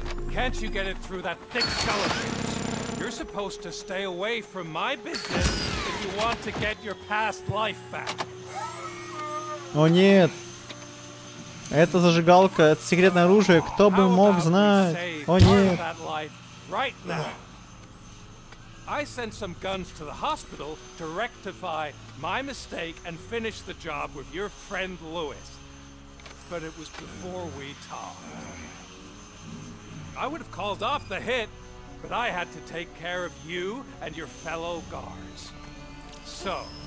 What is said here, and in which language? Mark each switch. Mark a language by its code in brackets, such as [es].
[en] Can't you get it through that thick shell of yours? You're supposed to stay away from my business if you want to get your past life back. [ru] О нет! Это зажигалка, это секретное оружие, кто бы мог знать? О нет! [en] Right now. I sent some guns to the hospital to rectify my mistake and finish the job with your friend Lewis. But it was before we talked. I would have called off the hit, but I had to take care of you and your fellow guards. So,